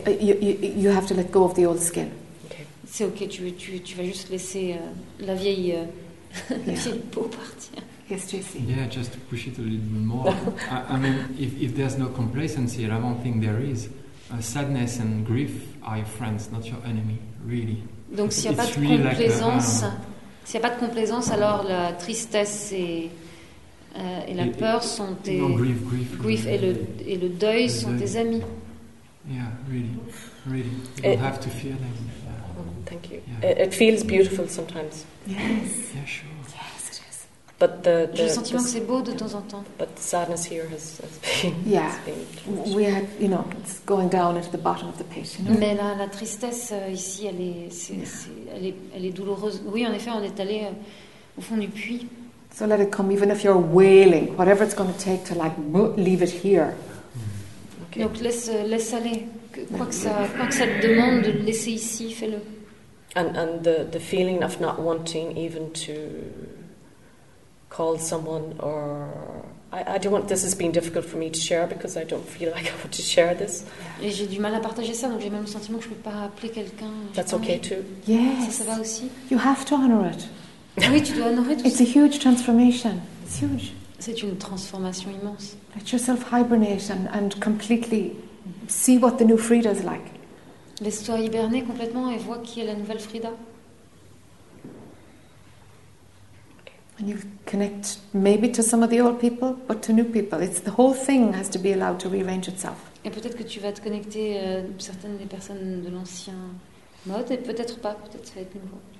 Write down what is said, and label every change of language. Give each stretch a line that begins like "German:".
English: You have to let go of the old skin. Okay.
French: C'est okay. Tu vas juste laisser la vieille vieille peau partir.
English: Yes, JC. Yeah, just to push it a little bit more. I mean, if there's no complacency, I don't think there is. Sadness and grief are your friends, not your enemy, really.
French: Donc, s'il n'y a pas de complaisance, s'il n'y a pas de complaisance, alors la tristesse et la peur sont tes. Non, grief. Grief et le deuil sont tes amis.
English: Yeah, really. You don't have to fear them. Thank you. Yeah. It feels beautiful sometimes. Yes. Yeah, sure. But the
French: j'ai le sentiment que c'est beau de temps en temps.
English: But the sadness here has been. Yeah, has been we had, you know, it's going down into the bottom of the pit. You know?
French: Mais la tristesse ici, elle est douloureuse. Oui, en effet, on est allé au fond du puits.
English: So let it come, even if you're wailing, whatever it's going to take to like leave it here. Okay.
French: Donc laisse aller, quoi que ça te demande de le laisser ici, fais-le.
English: And the feeling of not wanting even to call someone, or I don't want. This has been difficult for me to share because I don't feel like I want to share this.
French: Et j'ai du mal à partager ça, donc j'ai même le sentiment que je peux pas appeler quelqu'un.
English: That's okay too. Yes.
French: Ça va aussi.
English: You have to honor it.
French: Oui, tu dois honorer tout.
English: It's a huge transformation. It's huge.
French: C'est une transformation immense.
English: Let yourself hibernate and completely see what the new Frida is like.
French: Laisse-toi hiberner complètement et vois qui est la nouvelle Frida.
English: And you connect maybe to some of the old people, but to new people. It's the whole thing has to be allowed to rearrange itself.
French: Et peut-être que tu vas te connecter certaines des personnes de l'ancien mode, et peut-être pas. Peut-être ça va être nouveau.